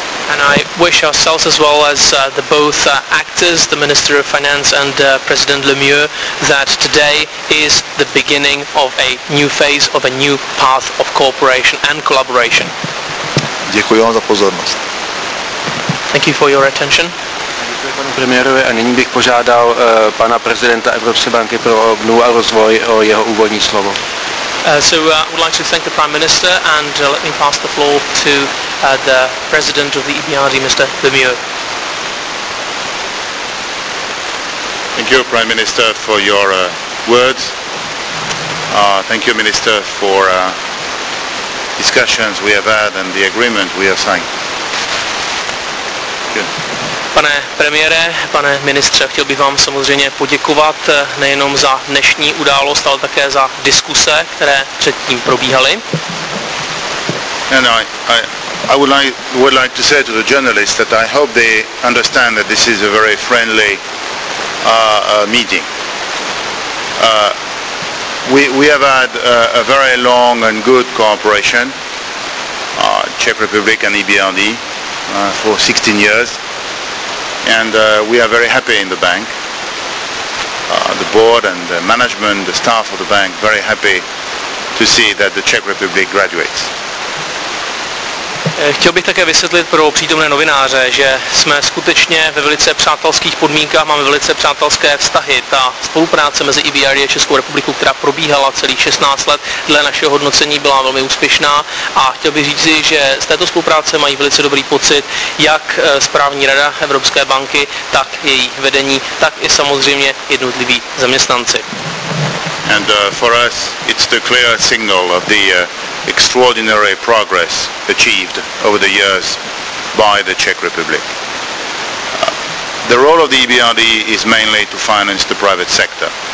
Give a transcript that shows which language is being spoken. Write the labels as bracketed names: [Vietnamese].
[English] And I wish ourselves as well as the both actors, the Minister of Finance and President Lemieux, that today is the beginning of a new phase, of a new path of cooperation and collaboration. [Czech] Děkuji vám za pozornost. [English] Thank you for your attention. [Czech] Panu premiérovi a nyní bych požádal pana prezidenta Evropské banky pro obnovu a rozvoj o jeho úvodní slovo. [English] I would like to thank the Prime Minister and let me pass the floor to the President of the EBRD, Mr. Lemieux. Thank you, Prime Minister, for your words. Thank you, Minister, for discussions we have had and the agreement we have signed. Good. [Czech] Pane premiére, pane ministře, chtěl bych vám samozřejmě poděkovat nejenom za dnešní událost, ale také za diskuse, které předtím probíhaly. [English] And I would like to say to the journalists that I hope they understand that this is a very friendly meeting. We have had a very long and good cooperation, Czech Republic and EBRD, for 16 years. And we are very happy in the bank, the board and the management, the staff of the bank, very happy to see that the Czech Republic graduates. [Czech] Chtěl bych také vysvětlit pro přítomné novináře, že jsme skutečně ve velice přátelských podmínkách, máme velice přátelské vztahy. Ta spolupráce mezi EBRD a Českou republikou, která probíhala celých 16 let, dle našeho hodnocení byla velmi úspěšná a chtěl bych říct, že z této spolupráce mají velice dobrý pocit jak správní rada Evropské banky, tak její vedení, tak i samozřejmě jednotliví zaměstnanci. [English] And for us it's the clear signal of the extraordinary progress achieved over the years by the Czech Republic. The role of the EBRD is mainly to finance the private sector.